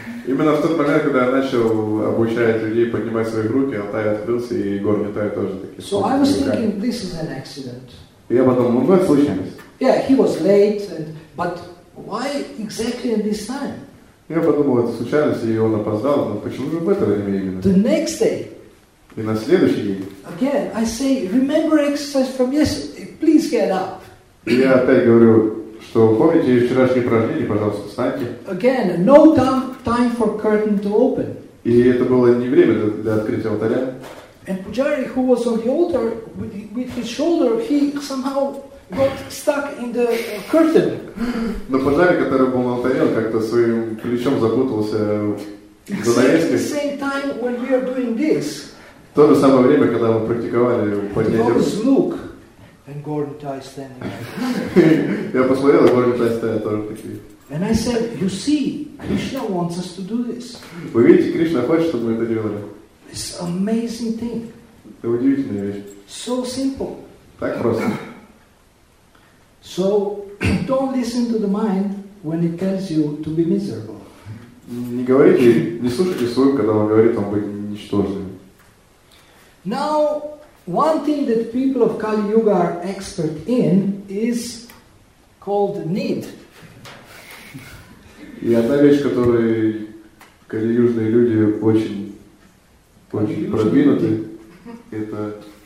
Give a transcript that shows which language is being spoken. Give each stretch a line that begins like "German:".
Russian: Именно в тот момент, когда я начал обучать людей поднимать свои руки, Алтай открылся, и Горни Тай тоже такие.
English: So I was thinking, this is an accident.
Russian: Я подумал, ну это случайность.
English: Yeah, he was late, and, but why exactly at this time?
Russian: Я подумал, это случайность, и он опоздал, но почему же в это время именно?
English: The next day.
Russian: И на следующий день.
English: Again, I say, remember exercise from yesterday, please get up.
Russian: Я опять говорю, что помните вчерашние упражнения, пожалуйста, встаньте.
English: Again, no time for curtain to open.
Russian: И это было не время для открытия алтаря.
English: And Pujari, who was on the altar with his shoulder, he somehow got stuck in the curtain.
Russian: Но Пуджари, который был на алтаре, как-то своим плечом запутался в занавеске.
English: At the same time when we are doing this.
Russian: В то же самое время, когда мы практиковали поднятие
English: рук. And Gordon Tai standing.
Russian: Я посмотрел, Gordon Tai стоит тоже такие.
English: And I said, you see, Krishna wants us to do this.
Russian: Вы видите, Кришна хочет, чтобы мы это делали.
English: It's amazing thing.
Russian: Это удивительная вещь.
English: So simple.
Russian: Так просто.
English: So don't listen to the mind when it tells you to be miserable.
Russian: Не говорите, не слушайте свою, когда он говорит вам быть ничтожным.
English: Now. One thing that people of Kali Yuga are expert in is called need.
Russian: И одна вещь, которой калиюжные люди очень продвинуты, это